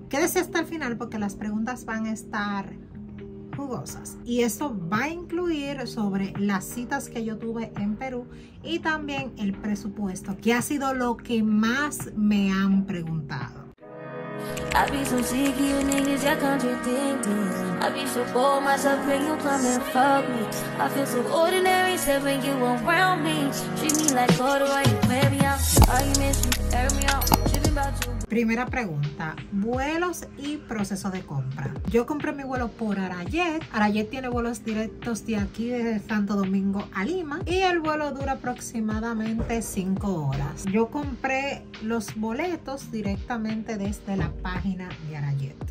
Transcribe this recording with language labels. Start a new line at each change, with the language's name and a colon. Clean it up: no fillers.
Spanish: Quédese hasta el final porque las preguntas van a estar jugosas y eso va a incluir sobre las citas que yo tuve en Perú y también el presupuesto, que ha sido lo que más me han preguntado.
English: I be so sick, you niggas, y'all contradicting. I be so bored, myself, when you come and fuck me. I feel so ordinary, except when you around me. Treat me like gold, why you wear me out? Arguments, you tear me out.
Spanish: Primera pregunta, vuelos y proceso de compra. Yo compré mi vuelo por Arajet. Arajet tiene vuelos directos de aquí, desde Santo Domingo a Lima. Y el vuelo dura aproximadamente 5 horas. Yo compré los boletos directamente desde la página de Arajet.